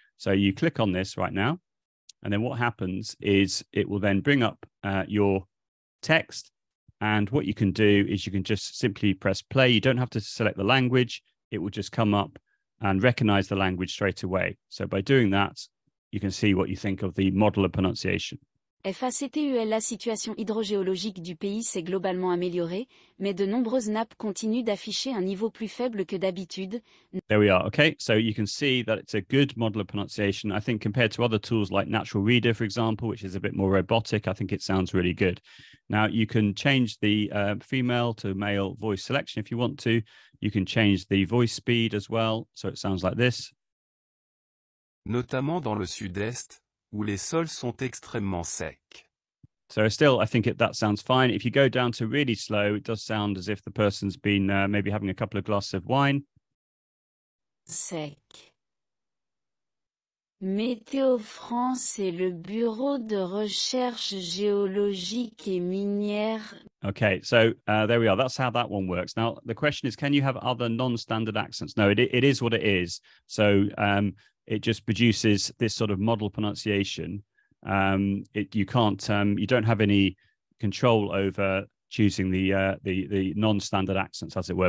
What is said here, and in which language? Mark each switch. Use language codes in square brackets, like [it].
[en] So you click on this right now, and then what happens is it will then bring up your text. And what you can do is you can just simply press play. You don't have to select the language. It will just come up and recognize the language straight away. So by doing that, you can see what you think of the model of pronunciation. [fr] FACTUL, la situation hydrogéologique du pays s'est globalement améliorée, mais de nombreuses nappes continuent d'afficher un niveau plus faible que d'habitude. [en] There we are. Okay, so you can see that it's a good model of pronunciation. I think compared to other tools like Natural Reader, for example, which is a bit more robotic, I think it sounds really good. Now, you can change the female to male voice selection if you want to. You can change the voice speed as well, so it sounds like this. [fr] Notamment dans le sud-est, où les sols sont extrêmement secs. [en] So still, I think that sounds fine. If you go down to really slow, it does sound as if the person's been maybe having a couple of glasses of wine. [fr] sec. Météo France et le Bureau de Recherche Géologique et Minière. [en] Okay, so there we are. That's how that one works. Now, the question is, can you have other non-standard accents? No, it is what it is. So it just produces this sort of model pronunciation. You don't have any control over choosing the non-standard accents, as it were.